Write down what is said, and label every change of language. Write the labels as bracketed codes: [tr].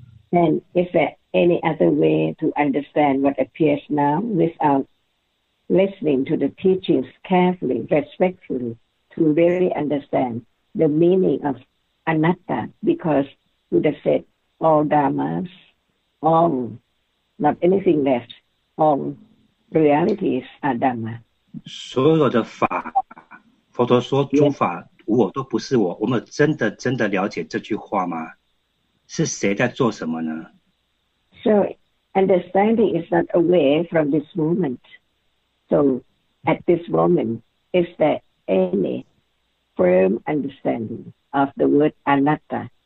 [en] And is there any other way to understand what appears now without listening to the teachings carefully, respectfully, to really understand the meaning of anatta? Because Buddha said all dharmas, all not anything left, all realities are dhamma. [zh] 所有的法，佛陀说诸法无我都不是我。我们真的真的了解这句话吗？是谁在做什么呢？ [en] So understanding is not away from this moment. So at this moment, is there any firm understanding of the word anatta?